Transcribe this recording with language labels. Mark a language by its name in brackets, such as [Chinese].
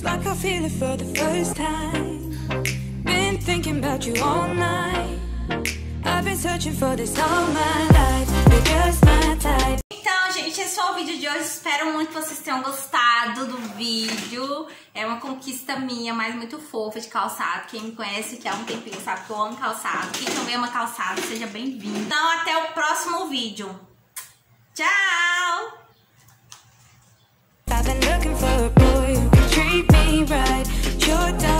[English] I feel it for the first time. Been thinking about you all night. I've been searching for this all my life. You're just my type. [Portuguese] Então, gente, esse foi o vídeo de hoje. Espero muito que vocês tenham gostado do vídeo. É uma conquista minha, mas muito fofa de calçado. Quem me conhece aqui há um tempinho sabe que eu amo calçado. Quem também ama calçado, seja bem-vindo. Então, até o próximo vídeo. Tchau! [English] I've been looking for a boy who can treat me right. You're